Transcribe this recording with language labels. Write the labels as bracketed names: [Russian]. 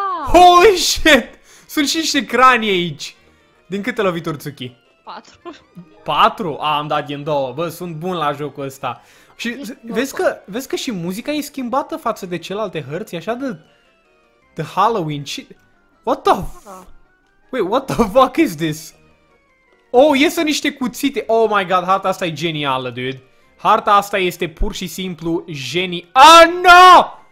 [English] Holy shit. [Romanian] Sunt și niște crani aici. Din câte lovituri, Tsuki? 4. 4? Ah, am dat din 2. Bă, sunt bun la jocul ăsta. Și vezi că și muzica e schimbată față de celelalte hărți, e așa de Halloween. Și [English] what the Wait, what the fuck is this? [Romanian] Oh, iese niște cuțite. [English] Oh my god, [Romanian] harta asta e genială, [English] dude. [Romanian] Harta asta este pur și simplu genii. [English] Ah, no!